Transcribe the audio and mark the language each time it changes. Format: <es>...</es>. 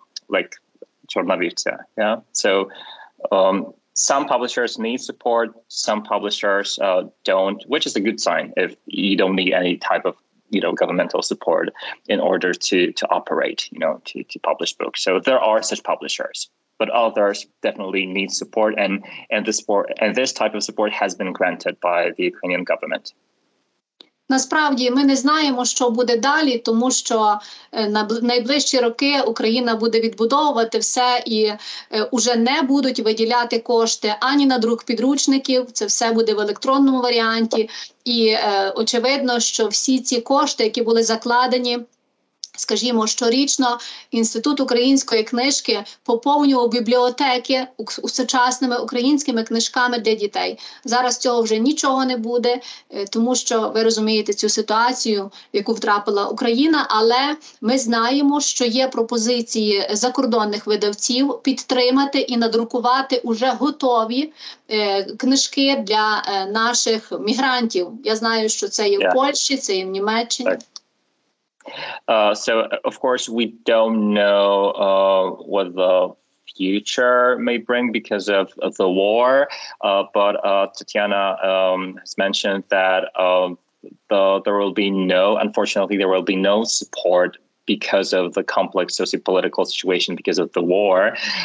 <en>Like Czarnowiewca, yeah. So some publishers need support, some publishers don't, which is a good sign if you don't need any type of, you know, governmental support in order to operate, you know, to publish books. So there are such publishers, but others definitely need support, and this type of support has been granted by the Ukrainian government.</en> <uk>Насправді, ми не знаємо, що буде далі, тому що на найближчі роки Україна буде відбудовувати все і вже не будуть виділяти кошти ані на друк підручників, це все буде в електронному варіанті. І очевидно, що всі ці кошти, які були закладені, скажімо, щорічно Інститут української книжки поповнював бібліотеки сучасними українськими книжками для дітей. Зараз цього вже нічого не буде, тому що ви розумієте цю ситуацію, в яку втрапила Україна, але ми знаємо, що є пропозиції закордонних видавців підтримати і надрукувати уже готові книжки для наших мігрантів. Я знаю, що це є в Польщі, це є в Німеччині.</uk> <en>So, of course, we don't know what the future may bring because of the war, but Tetiana has mentioned that there will be no, unfortunately, there will be no support because of the complex socio-political situation because of the war.</en>